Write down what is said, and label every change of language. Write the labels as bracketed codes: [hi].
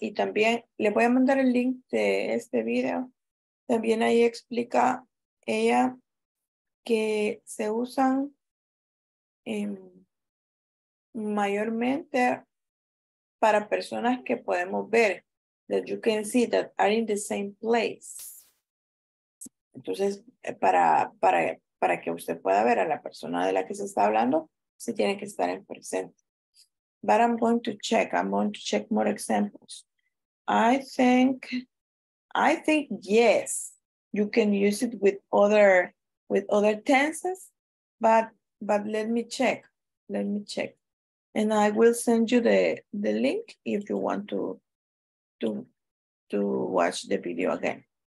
[es] Y también le voy a mandar el link de este video. También ahí explica ella que se usan mayormente para personas que podemos ver. [en] That you can see that are in the same place. [es] Entonces, para que usted pueda ver a la persona de la que se está hablando, se tiene que estar en presente. [en] But I'm going to check more examples. I think yes, you can use it with other tenses, but let me check. And I will send you the link if you want to watch the video again.